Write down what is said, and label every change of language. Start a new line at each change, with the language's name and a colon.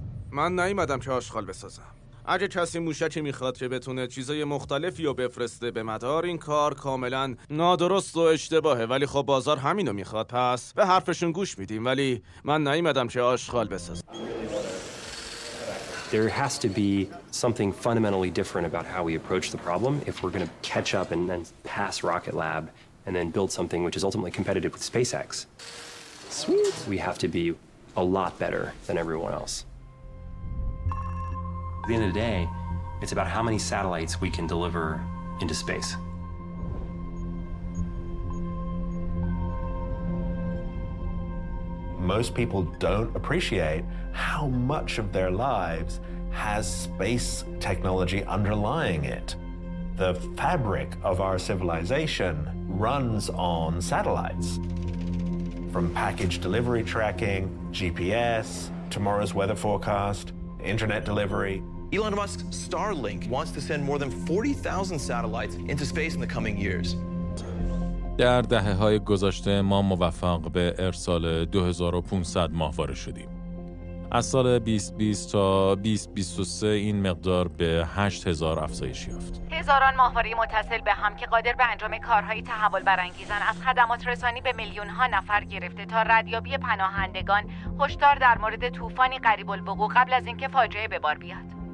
Persian: من نیومدم که آشغال بسازم. اگه کسی موشکی میخواد که بتونه چیزای مختلفی رو بفرسته به مدار، این کار کاملا نادرست و اشتباهه، ولی خب بازار همینو میخواد، پس به حرفشون گوش میدیم، ولی من نیومدم که آشغال بسازم.
English: There has to be something fundamentally different about how we approach the problem if we're going to catch up and then pass Rocket Lab and then build something which is ultimately competitive with SpaceX. Sweet. We have to be a lot better than everyone else. At the end of the day, it's about how many satellites we can deliver into space. Most people don't appreciate how much of their lives has space technology underlying it. The fabric of our civilization runs on satellites. From package delivery tracking, GPS, tomorrow's weather forecast, internet delivery, Elon Musk's Starlink wants to send more than 40,000 satellites into space in the coming years.
Persian: در دهه‌های گذشته ما موفق به ارسال 2500 ماهواره شدیم. از سال 2020 تا 2023 این مقدار به 8000 افزایش یافت. هزاران ماهواره متصل به هم که قادر به انجام کارهای تحول برانگیزن، از خدمات رسانی به میلیون ها نفر گرفته تا ردیابی پناهندگان، هشدار در مورد طوفانی قریب الوقوع قبل از اینکه فاجعه به بار بیاد.